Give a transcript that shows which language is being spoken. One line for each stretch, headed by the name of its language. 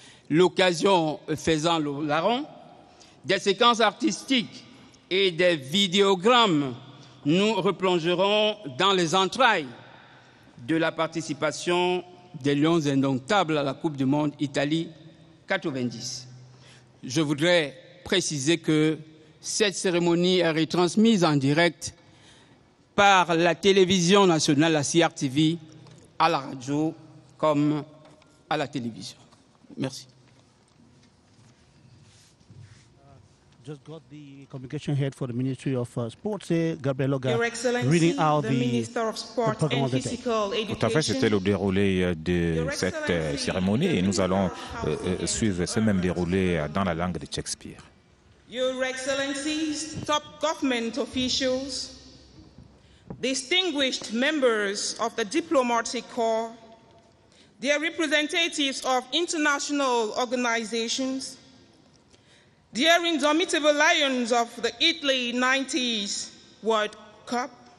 French: L'occasion faisant le larron, des séquences artistiques et des vidéogrammes nous replongeront dans les entrailles de la participation des Lions indomptables à la Coupe du monde Italie 90. Je voudrais préciser que cette cérémonie est retransmise en direct par la télévision nationale, la CRTV, à la radio comme à la télévision. Merci.
English: Just got the communication head for the Ministry of Sports, Gabriel Loga, reading out the Minister of Sports and Physical Education.
French: Tout à fait, c'était le déroulé de cette cérémonie et nous allons suivre ce même déroulé dans la langue de Shakespeare.
English: Your Excellencies, top government officials, distinguished members of the diplomatic corps, their representatives of international organizations, their indomitable lions of the Italy 90s World Cup,